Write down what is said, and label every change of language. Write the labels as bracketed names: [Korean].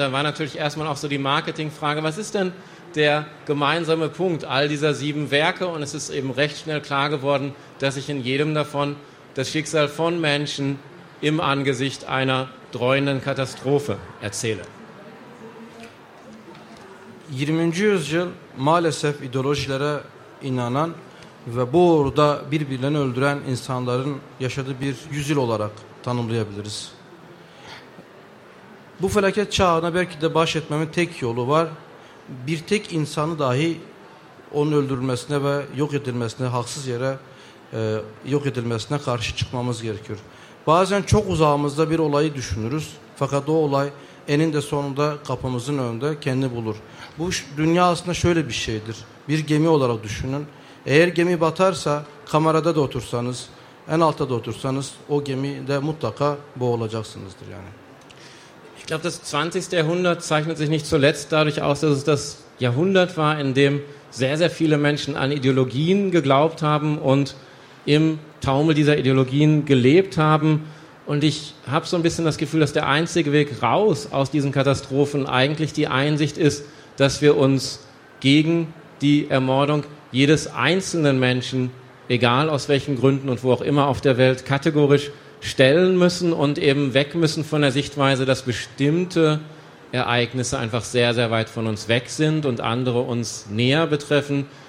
[German] Und dann war natürlich erstmal auch so die Marketingfrage, was ist denn der gemeinsame Punkt all dieser 7 Werke? Und es ist eben recht schnell klar geworden, dass sich in jedem davon das Schicksal von Menschen im Angesicht einer dreuenden Katastrophe erzähle. [Turkish] 20. Jahrhundert, maalesef ideolojilere inanan ve bu uğurda birbirlerini öldüren insanların yaşadığı bir yüzyıl olarak tanımlayabiliriz. Bu felaket çağına belki de baş etmemin tek yolu var. Bir tek insanı dahi onun öldürülmesine ve yok edilmesine, haksız yere yok edilmesine karşı çıkmamız gerekiyor. Bazen çok uzağımızda bir olayı düşünürüz. Fakat o olay eninde sonunda kapımızın önünde kendini bulur. Bu dünya aslında şöyle bir şeydir. Bir gemi olarak düşünün. Eğer gemi batarsa, kamerada da otursanız, en altta da otursanız, o gemide mutlaka boğulacaksınızdır yani. [German] Ich glaube, das 20. Jahrhundert zeichnet sich nicht zuletzt dadurch aus, dass es das Jahrhundert war, in dem sehr, sehr viele Menschen an Ideologien geglaubt haben und im Taumel dieser Ideologien gelebt haben. Und ich habe so ein bisschen das Gefühl, dass der einzige Weg raus aus diesen Katastrophen eigentlich die Einsicht ist, dass wir uns gegen die Ermordung jedes einzelnen Menschen, egal aus welchen Gründen und wo auch immer auf der Welt, kategorisch stellen müssen und eben weg müssen von der Sichtweise, dass bestimmte Ereignisse einfach sehr, sehr weit von uns weg sind und andere uns näher betreffen.